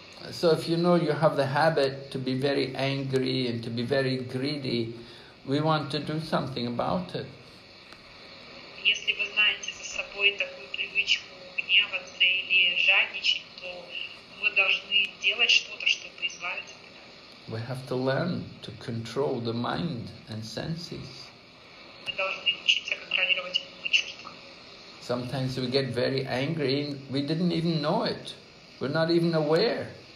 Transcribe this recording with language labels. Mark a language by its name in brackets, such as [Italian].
[English] So if you know you have the habit to be very angry and to be very greedy, we want to do something about it. [Russian] Если вы знаете за собой такую привычку гневаться или жадничать, то вы должны делать что-то, чтобы избавиться от этого. [English] We have to learn to control the mind and senses. [Russian] Мы должны учиться контролировать ум и чувства. [English] Sometimes we get very angry and we didn't even know it. We're not even aware.